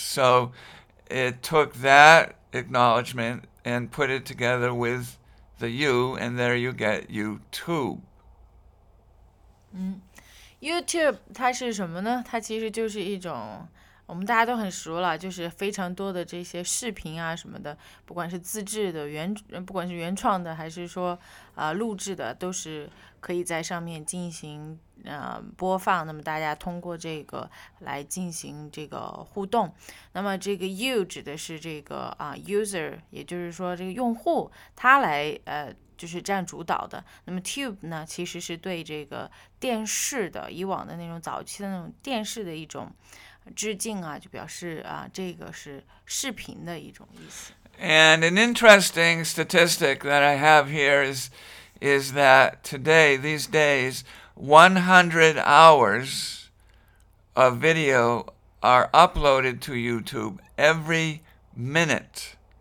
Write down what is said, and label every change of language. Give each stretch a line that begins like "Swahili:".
English: So it took that acknowledgement and put it together with the U, and there you get YouTube.
Chinese: YouTube 它是什么呢？它其实就是一种我们大家都很熟了，就是非常多的这些视频啊什么的，不管是自制的不管是原创的还是说录制的，都是可以在上面进行播放，那么大家通过这个来进行这个互动。那么这个 U 指的是这个user， 也就是说这个用户他来就是占主导的。那么 tube 呢，其实是对这个电视的以往的那种早期的那种电视的一种致敬啊，就表示啊，这个是视频的一种意思。
English: And an interesting statistic that I have here is that today, these days, 100 hours of video are uploaded to YouTube every minute.